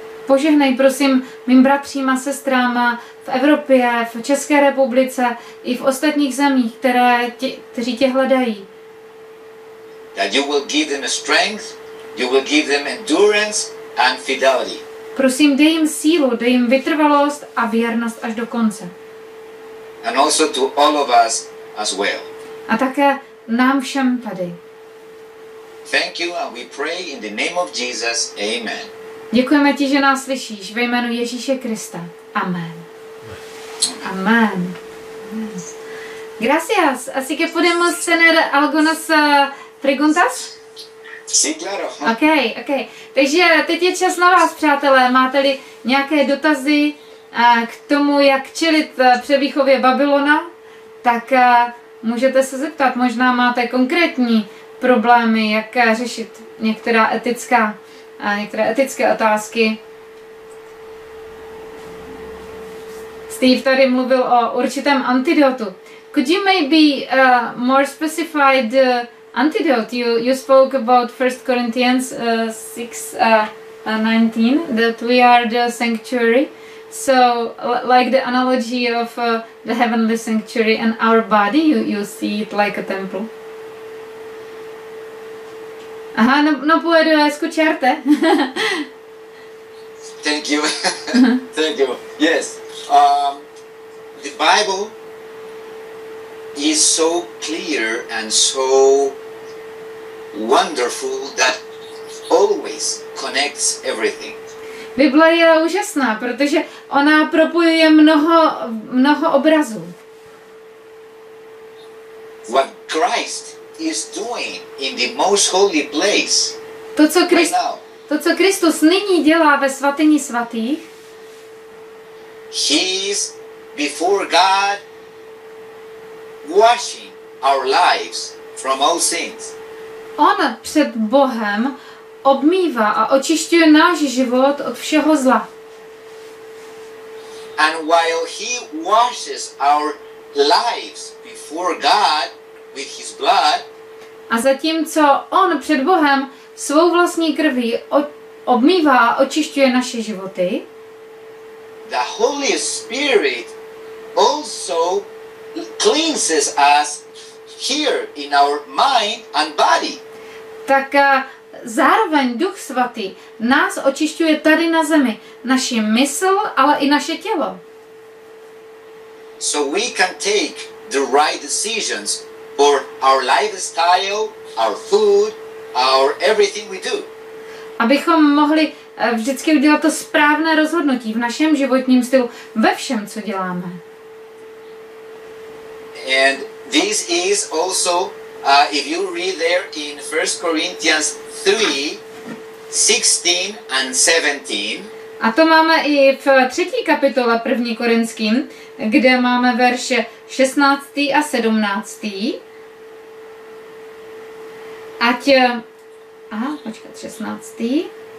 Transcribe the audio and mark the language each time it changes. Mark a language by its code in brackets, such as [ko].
[cs] Požehnej prosím mým bratřím a sestrám v Evropě, v České republice i v ostatních zemích, kteří tě hledají. [en] That you will give them strength, you will give them endurance and fidelity. [cs] Prosím, dej jim sílu, dej jim vytrvalost a věrnost až do konce. [en] And also to all of us as well. [cs] A také nám všem tady. [en] Thank you and we pray in the name of Jesus. Amen. [cs] Děkujeme ti, že nás slyšíš ve jménu Ježíše Krista. [es] Amen. Amen. Gracias. Así que podemos tener algo nos preguntas? Sí, claro. Ok. [cs] Takže teď je čas na vás, přátelé. Máte-li nějaké dotazy k tomu, jak čelit převýchově Babylona, tak můžete se zeptat. Možná máte konkrétní problémy, jak řešit některá etická a některé etické otázky. Steve tady mluvil o určitém antidotu. [en] Could you maybe more specify the antidote? You spoke about 1 Corinthians 6:19, that we are the sanctuary. So, like the analogy of the heavenly sanctuary and our body, you see it like a temple. [es] Aha, no puedo escucharte. [en] Thank you. Thank you. Yes. The Bible is so clear and so wonderful that always connects everything. [cs] Bible je úžasná, protože ona propojuje mnoho obrazů. [en] What Christ is doing in the most holy place. [cs] To, co Kristus nyní dělá ve svatyni svatých. [en] He is before God washing our lives from all sins. [cs] On před Bohem obmývá a očišťuje náš život od všeho zla. [en] And while he washes our lives before God with his blood, [cs] a zatímco on před Bohem svou vlastní krví obmývá a očišťuje naše životy, [en] the Holy Spirit also cleanses us here in our mind and body. [cs] Tak zároveň Duch Svatý nás očišťuje tady na zemi, naši mysl, ale i naše tělo. [en] So we can take the right decisions for our lifestyle, our food, our everything we do. [cs] Abychom mohli vždycky udělat to správné rozhodnutí v našem životním stylu, ve všem, co děláme. [en] And this is also, if you read there in 1 Corinthians 3:16-17. [cs] A to máme i v 3. kapitole 1. Korinským, kde máme verše 16. a 17. Ať, počkat, 16.